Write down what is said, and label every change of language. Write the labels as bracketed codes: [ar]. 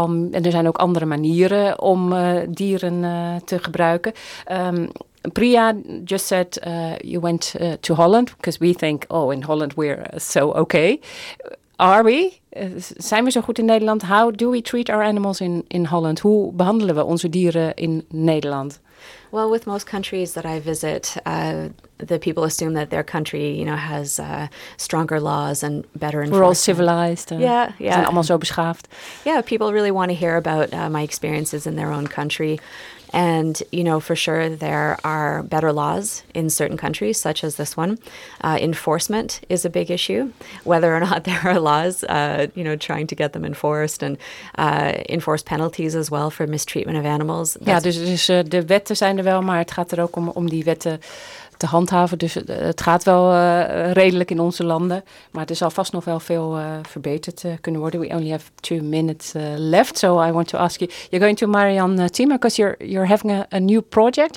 [nl] Er zijn ook andere manieren om dieren te gebruiken. [en] Priya just said you went to Holland because we think, oh, in Holland we're so okay. Are we? [nl] Zijn we zo goed in Nederland? [en] How do we treat our animals in Holland? [nl] Hoe behandelen we onze dieren in Nederland? [en] Well, with most countries that I visit, the people assume that their country, you know, has stronger laws and better enforcement. We're all civilized. Yeah. [nl] Zijn allemaal zo beschaafd. [en] Yeah, people really want to hear about my experiences in their own country. And, you know, for sure there are better laws in certain countries, such as this one. Enforcement is a big issue, whether or not there are laws, you know, trying to get them enforced and enforce penalties as well for mistreatment of animals. [nl] Dus de wetten zijn er wel, maar het gaat er ook om die wetten te handhaven. Dus het gaat wel redelijk in onze landen, maar er zal vast nog wel veel verbeterd kunnen worden. [en] We only have 2 minutes left, so I want to ask you, you're going to Marian Thieme, because you're having a new project.